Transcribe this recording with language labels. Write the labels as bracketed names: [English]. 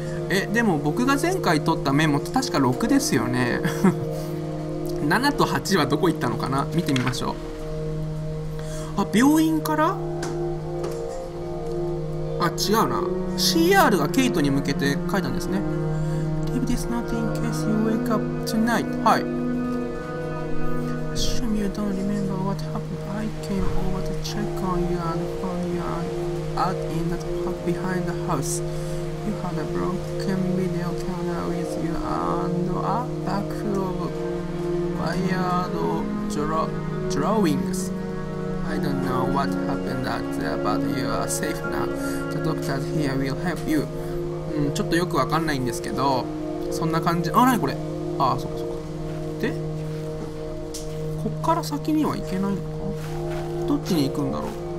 [Japanese] え、でも僕が前回取ったメモって確か6ですよね。 7と8はどこ行ったのかな、見てみましょう。あ、病院から、あ、違うな、 CR がケイトに向けて書いたんですね。 [English] Leave this note in case you wake up tonight. はい、 Assume you don't remember what happened. I came over to check on you and found you andOut in that park behind the house. You had a broken video camera with you and a bag full of wired drawings. I don't know what happened out there, but you are safe now. The doctors here will help you. [Japanese] うん、ちょっとよくわかんないんですけど、そんな感じ。あ、なにこれ。あ、そうかそうか。で、こっから先には行けないのか。どっちに行くんだろう。